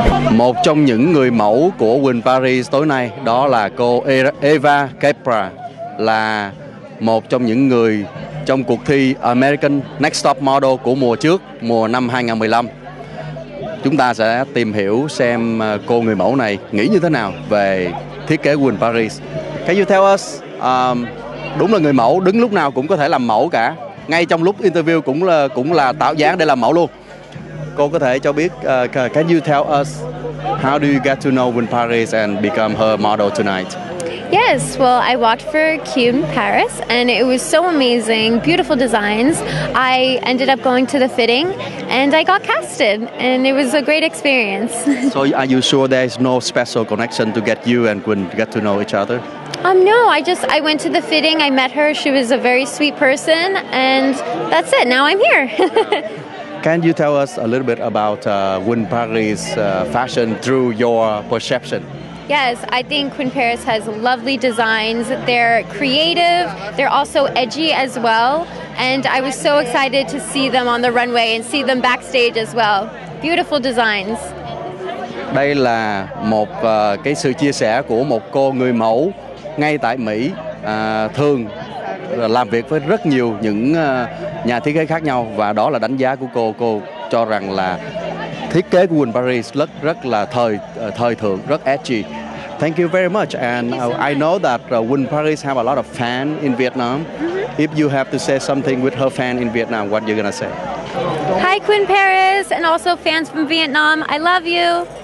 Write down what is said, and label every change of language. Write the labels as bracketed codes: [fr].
[vi] một trong những người mẫu của Quỳnh Paris tối nay đó là cô Eva Capra, là một trong những người trong cuộc thi American Next Top Model của mùa trước, mùa năm 2015. Chúng ta sẽ tìm hiểu xem cô người mẫu này nghĩ như thế nào về thiết kế Quỳnh Paris. [en] Can you tell us, [vi] đúng là người mẫu đứng lúc nào cũng có thể làm mẫu cả, ngay trong lúc interview cũng là tạo dáng để làm mẫu luôn. Cô có thể cho biết, [en] can you tell us, how do you get to know Quỳnh Paris and become her model tonight? Yes, well, I walked for Q in Paris and it was so amazing, beautiful designs. I ended up going to the fitting and I got casted and it was a great experience. So are you sure there is no special connection to get you and Quỳnh get to know each other? No, I went to the fitting, I met her, she was a very sweet person, and that's it, now I'm here. Can you tell us a little bit about Quỳnh Paris' fashion through your perception? Yes, I think Quinn Paris has lovely designs. They're creative. They're also edgy as well. And I was so excited to see them on the runway and see them backstage as well. Beautiful designs. [vi] Đây là một cái sự chia sẻ của một cô người mẫu ngay tại Mỹ, thường làm việc với rất nhiều những nhà thiết kế khác nhau, và đó là đánh giá của cô. Cô cho rằng là thiết kế của Quinn Paris rất là thời thượng, rất edgy. [en] Thank you very much, and I know that Quinn Paris have a lot of fan in Vietnam. Mm-hmm. If you have to say something with her fan in Vietnam, what you're gonna say? Hi Quinn Paris, and also fans from Vietnam, I love you.